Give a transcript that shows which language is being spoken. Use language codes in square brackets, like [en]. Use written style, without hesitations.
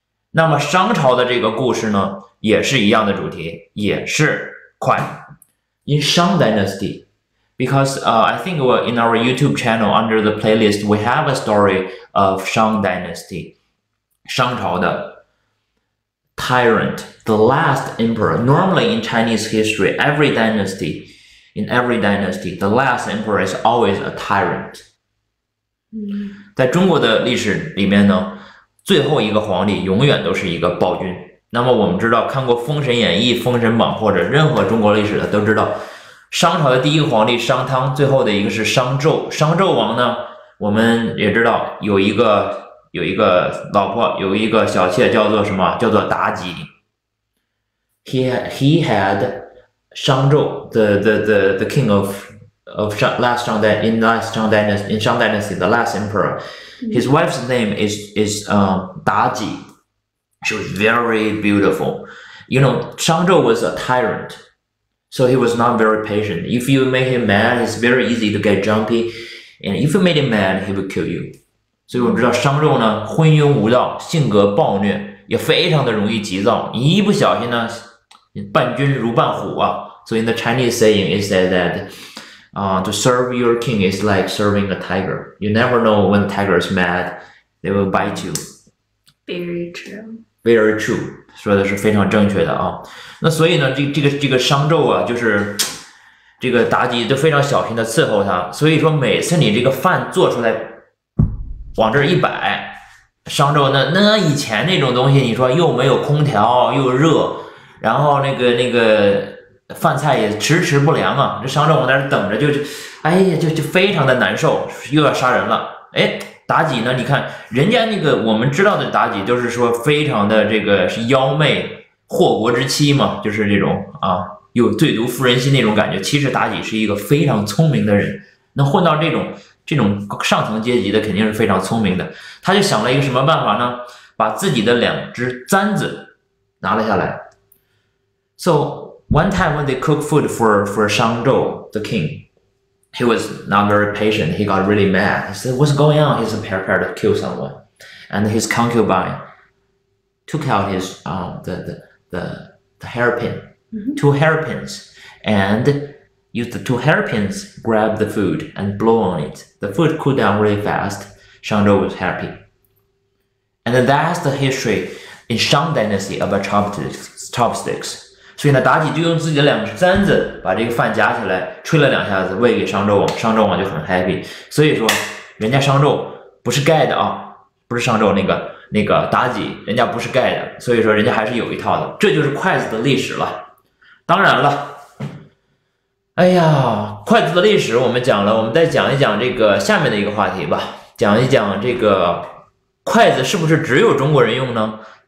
[zh] 那么商朝的这个故事呢也是一样的主题，也是筷。 [en] In Shang Dynasty, because I think in our YouTube channel under the playlist, we have a story of Shang Dynasty, 商朝的 tyrant, the last emperor. Normally in Chinese history, in every dynasty, the last emperor is always a tyrant. [zh] 在中国的历史里面呢，最后一个皇帝永远都是一个暴君。那么我们知道，看过《封神演义》《封神榜》或者任何中国历史的都知道，商朝的第一个皇帝商汤，最后的一个是商纣。商纣王呢，我们也知道有一个老婆，有一个小妾，叫做什么？叫做妲己。 [en] He had 商纣 the king of Shang Dynasty, the last emperor. His wife's name is 妲己.She was very beautiful. You know, 商纣 was a tyrant, so he was not very patient. If you make him mad, it's very easy to get jumpy, and if you make him mad, he will kill you. [zh] 所以我们知道商纣呢，昏庸无道，性格暴虐，也非常的容易急躁。你一不小心呢，伴君如伴虎啊。所以 [en] the Chinese saying is that. To serve your king is like serving a tiger. You never know when tiger is mad, they will bite you. Very true. Very true. [zh] 说的是非常正确的啊。那所以呢，这个商纣啊，就是这个妲己都非常小心的伺候他。所以说，每次你这个饭做出来，往这一摆，商纣那以前那种东西，你说又没有空调又热，然后那个。饭菜也迟迟不凉啊，这商纣王在这等着就非常的难受，又要杀人了。哎，妲己呢，你看人家那个我们知道的妲己，就是说非常的这个是妖媚祸国之妻嘛，就是这种啊有最毒妇人心那种感觉。其实妲己是一个非常聪明的人，那混到这种上层阶级的肯定是非常聪明的。他就想了一个什么办法呢？把自己的两只簪子拿了下来。 [en] SoOne time when they cook food for Shang Zhou, the king, he was not very patient. He got really mad. He said, what's going on? He's prepared to kill someone. And his concubine took out his, the hairpin, two hairpins, and used the two hairpins, grab the food and blow on it. The food cooled down really fast. Shang Zhou was happy. And that's the history in Shang Dynasty about chopsticks. [zh] 所以呢，妲己就用自己的两只簪子把这个饭夹起来，吹了两下子，喂给商纣王。商纣王就很 happy。所以说，人家商纣不是盖的啊，不是商纣那个妲己，人家不是盖的。所以说，人家还是有一套的。这就是筷子的历史了。当然了，哎呀，筷子的历史我们讲了，我们再讲一讲这个下面的一个话题吧，讲一讲这个筷子是不是只有中国人用呢？